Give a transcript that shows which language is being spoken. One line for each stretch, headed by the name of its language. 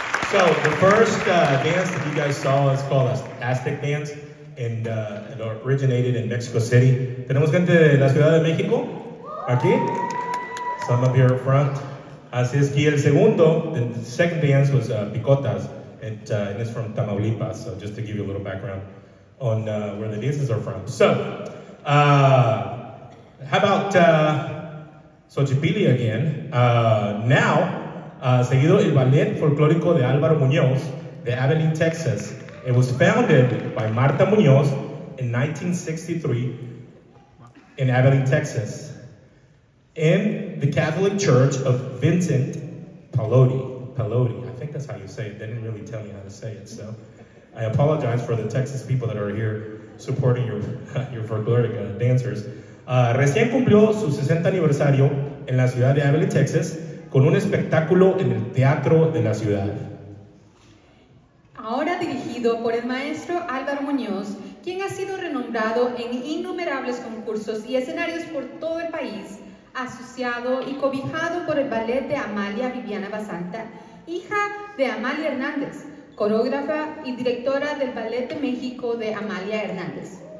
English: So the first dance that you guys saw is called Aztec dance, and it originated in Mexico City.
Spanish: Tenemos gente de la Ciudad de México aquí.
English: Some up here up front.
Spanish: Así es que el segundo,
English: the second dance was picotas, and it's from Tamaulipas. So just to give you a little background on where the dances are from. So, how about Xochipilli again?
Spanish: Now, seguido el Ballet Folklorico de Alvaro Munoz de Abilene, Texas.
English: It was founded by Marta Munoz in 1963 in Abilene, Texas, in the Catholic Church of Vincent Pallotti. Pallotti, I think that's how you say it. They didn't really tell me how to say it, so. I apologize for the Texas people that are here supporting your folkloric dancers.
Spanish: Recién cumplió su 60 aniversario en la ciudad de Abilene, Texas, con un espectáculo en el Teatro de la Ciudad. Ahora dirigido por el maestro Álvaro Muñoz, quien ha sido renombrado en innumerables concursos y escenarios por todo el país, asociado y cobijado por el ballet de Amalia Viviana Basanta, hija de Amalia Hernández, coreógrafa y directora del Ballet de México de Amalia Hernández.